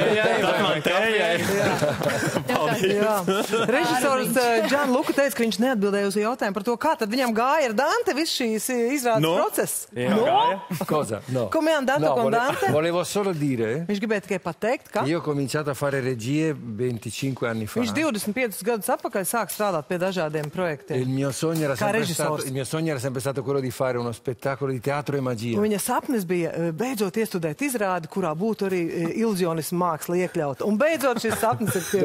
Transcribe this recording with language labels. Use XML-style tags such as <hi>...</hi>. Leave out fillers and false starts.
<lv>Jā. Režisors Gianluca teica, ka viņš neatbildēja uz jautājumu par to, kā tad viņam gāja ar Dante viss šīs izrādes</lv> <it>no?</it> <lv>Process. Jā,</lv> <it>no?</it> <lv>Gāja?</lv> <it>Cosa? No. Come andato con Dante? Volevo solo dire.</it> <lv>Viņš gribēja tikai pateikt, ka?</lv> <it>Io ho cominciato a fare regie 25 anni fa.</it> <lv>Viņš 25 gadus atpakaļ sāk strādāt pie dažādiem projektiem.</lv> <it>Il mio sogno era sempre stato quello di fare uno spettacolo di teatro e magia.</it> <lv>Viņa sapnis bija beidzot iestudēt izrādi, kurā būtu arī iluzionismu māksla iekļauta. Un beidzot šis sapnis ir piepildīts.</lv>